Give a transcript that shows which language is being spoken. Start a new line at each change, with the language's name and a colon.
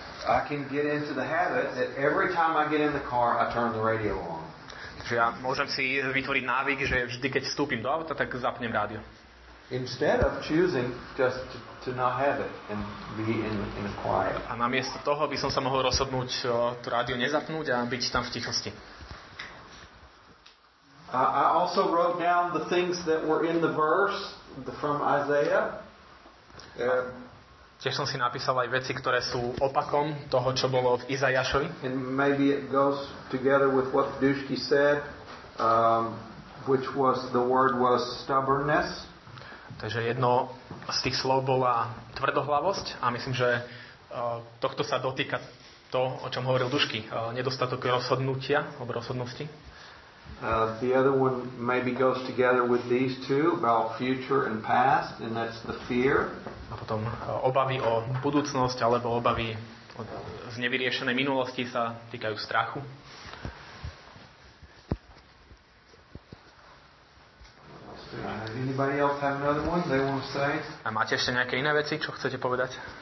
English: I can get into the habit that every time I get in the car I turn the radio on.
Slovak: Takže ja môžem si vytvoriť návyk, že vždy keď vstúpim do auta, tak zapnem rádio.
English: Instead of choosing just to not have it and be in a quiet.
Slovak: A namiesto toho by som sa mohol rozhodnúť to rádio nezapnúť a byť tam v tichosti.
English: I also wrote down the things that were in the verse from Isaiah.
Slovak: Tiež som si napísal aj veci, ktoré sú opakom toho, čo bolo v Izajašovi.
English: And maybe it goes together with what Dušky said, which was the word was stubbornness.
Slovak: Takže jedno z tých slov bola tvrdohlavosť a myslím, že tohto sa dotýka to, o čom hovoril Dušky. Nedostatok rozhodnutia, alebo rozhodnosti.
English: The other one maybe goes together with these two about future and past, and that's the fear.
Slovak: A potom obavy o budúcnosť alebo obavy z nevyriešenej minulosti sa týkajú strachu.
English: Anybody else have another one they want to say?
Slovak: A máte ešte nejaké iné veci, čo chcete povedať?